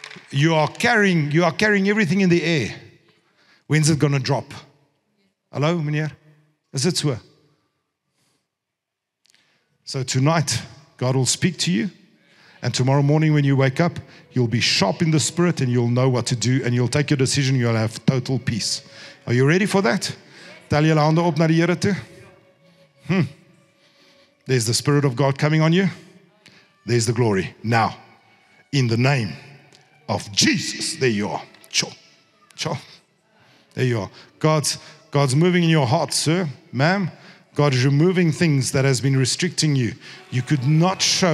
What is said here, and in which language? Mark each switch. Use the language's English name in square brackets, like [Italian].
[English] You are carrying everything in the air. When's it going to drop? Hello, meneer? Is it so? So tonight, God will speak to you. And tomorrow morning when you wake up, you'll be sharp in the spirit and you'll know what to do. And you'll take your decision. You'll have total peace. Are you ready for that? [Afrikaans] Tel jy hande op na die Here toe. [English] There's the Spirit of God coming on you. There's the glory. Now, in the name of Jesus, there you are. Cho. There you are. God's moving in your heart, sir, ma'am. God is removing things that has been restricting you. You could not show.